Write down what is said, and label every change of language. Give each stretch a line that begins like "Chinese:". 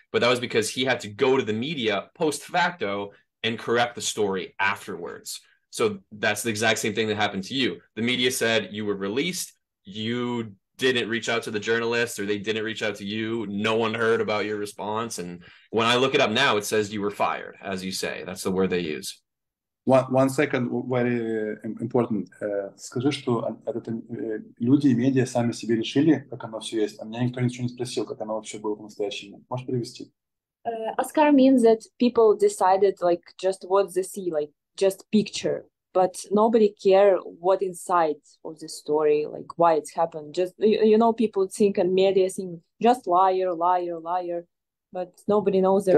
English: But that was because he had to go to the media post facto and correct the story afterwards. So that's the exact same thing that happened to you. The media said you were released. You didn't reach out to the journalists or they didn't reach out to you. No one heard about your response. And when I look it up now, it says you were fired, as you say. That's the word they use. One second, very important.
Russian: Скажи, что это люди и медиа сами себе решили, как оно все есть. А меня никто ничего не спросил, как оно вообще было по-настоящему. Можешь привести?
English: Askar means that people decided like just what they see, like just picture, but nobody care what inside of the story, like why it's happened. Just you know, people think and media think just liar, but nobody knows their